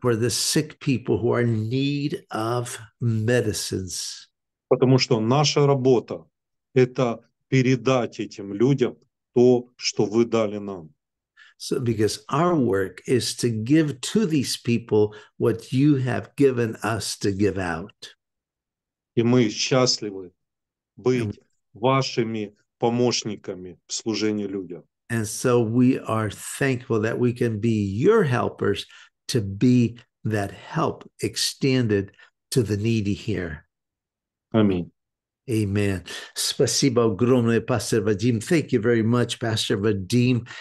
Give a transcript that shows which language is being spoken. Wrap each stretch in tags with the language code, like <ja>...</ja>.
<en>For the sick people who are in need of medicines.</en> <uk>Тому що наша робота</uk> <ru>это передать этим людям то, что вы дали нам.</ru> <en>So because our work is to give to these people what you have given us to give out.</en> <ru>И мы счастливы быть вашими помощниками в служении людям.</ru> <en>And so we are thankful that we can be your helpers to be that help extended to the needy here.</en> <ru>Аминь.</ru> <en>Amen.</en> <ru>Спасибо огромное,</ru> <en>Pastor Vadim. Thank you very much, Pastor Vadim.</en>